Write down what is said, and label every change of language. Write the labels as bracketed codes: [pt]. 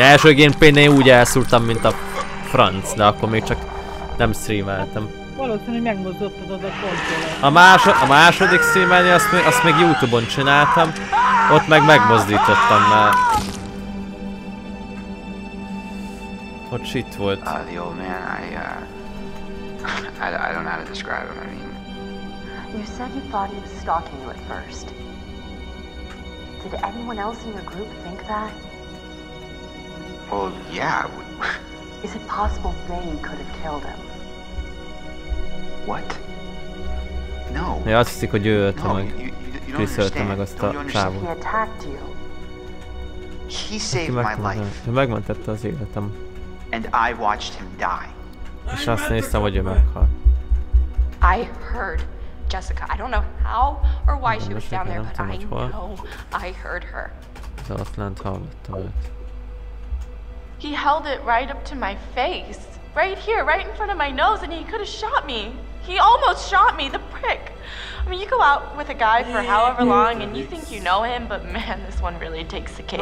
[hu] Első gameplay-nél úgy elszúrtam, mint a franc, de akkor még csak nem streameltem. Valószínűleg megmozdottad az a kontrollert. A második streamelni azt még YouTube-on csináltam. Ott meg megmozdítottam már. Ott shit volt. [en] I don't know how to describe him, I mean... You said you thought he was stalking you at first. Did anyone else in your group think that? Well, yeah, Is it possible Rain could have killed him? What? No. [hu] Ja, azt hiszik, hogy ő ölte meg. Chris ölte meg azt a csávot. [en] He attacked you. He saved my life. [hu] Ő megmentette az életem. [en] And I watched him die. [hu] És azt néztem, hogy ő meghalt. [en] I heard Jessica. I don't know how or why she was down there, but I know I heard her. [hu] De ott lent hallottam őt. [en] He held it right up to my face. Right here, right in front of my nose, and he could have shot me. He almost shot me, the prick. I mean, you go out with a guy for however long, and you think you know him, but man, this one really takes the cake.